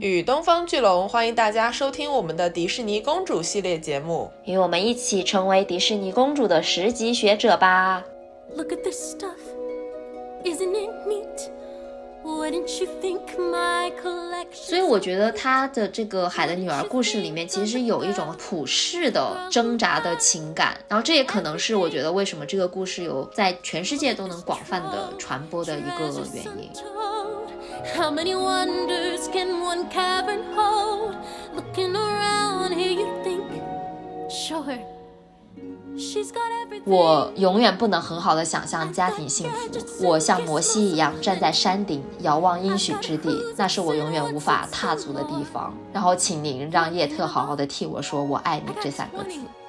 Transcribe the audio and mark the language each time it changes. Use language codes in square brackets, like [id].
[zh] 与东方巨龙，欢迎大家收听我们的迪士尼公主系列节目，与我们一起成为迪士尼公主的十级学者吧。 [en] Look at this stuff, isn't it neat? Wouldn't you think my collection? [zh] 所以我觉得他的这个海的女儿故事里面其实有一种普世的挣扎的情感，然后这也可能是我觉得为什么这个故事有在全世界都能广泛的传播的一个原因。 [en] How many wonders can one cavern hold? Looking around here, you think, sure, she's got everything. [zh] 我永远不能很好的想象家庭幸福。我像摩西一样站在山顶，遥望应许之地，那是我永远无法踏足的地方。然后，请您让叶特好好的替我说"我爱你"这三个字。